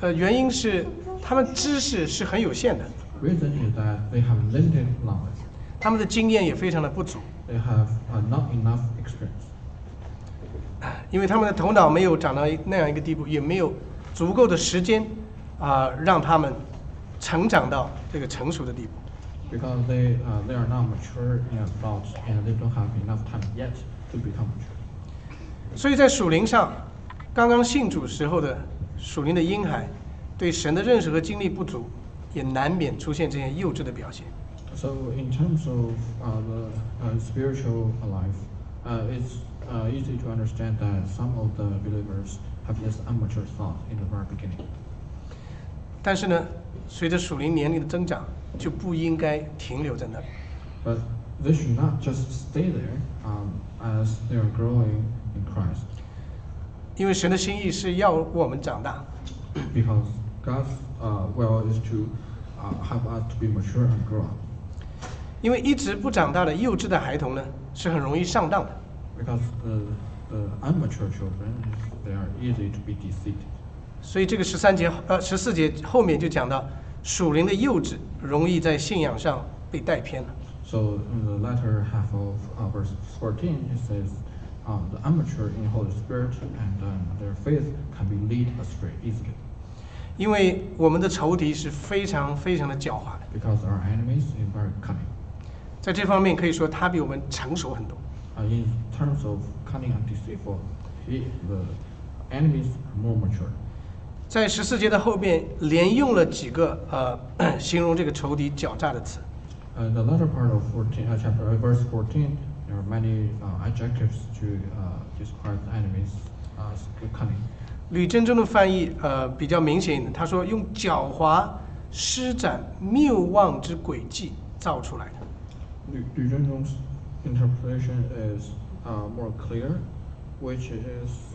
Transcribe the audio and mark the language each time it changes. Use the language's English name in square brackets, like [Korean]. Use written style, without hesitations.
[Chinese] 原因是他们知识是很有限的。 [English] Reason is that they have limited knowledge. [Chinese] 他们的经验也非常的不足。 [English] They have not enough experience. [Chinese] 因为他们的头脑没有长到那样一个地步，也没有足够的时间让他们成长到这个成熟的地步。 [English] Because they are not mature in adults and they don't have enough time yet to become mature. [Chinese] 所以在属灵上，刚刚信主时候的属灵的婴孩，对神的认识和经历不足，也难免出现这些幼稚的表现。 [English] So in terms of spiritual life, it's easy to understand that some of the believers have this immature thought in the very beginning. [Chinese] 但是呢，随着属灵年龄的增长，就不应该停留在那里。 [English] But they should not just stay there as they are growing in Christ. [Chinese] 因为神的心意是要我们长大。 [English] Because God's will is to have us to be mature and grow up. [Chinese] 因为一直不长大的幼稚的孩童呢，是很容易上当的。 [English] Because the immature children, they are easy to be deceived. [Chinese] 所以这个十四节后面就讲到，属灵的幼稚容易在信仰上被带偏了。 [English] So in the latter half of verse 14, it says, the immature in Holy Spirit and their faith can be led astray easily. [Chinese] 因为我们的仇敌是非常非常的狡猾的。 [English] Because our enemies are very cunning. [Chinese] 在这方面可以说他比我们成熟很多。 [English] In terms of cunning and deceitful, the enemies are more mature. [Chinese] 在十四节的后面连用了几个形容这个仇敌狡诈的词。 [English] In the latter part of verse 14, there are many adjectives to describe the enemies as cunning. [Chinese] 吕真中的翻译比较明显，他说用狡猾施展谬妄之诡计造出来的。 [English] 吕振中's interpretation is more clear, which is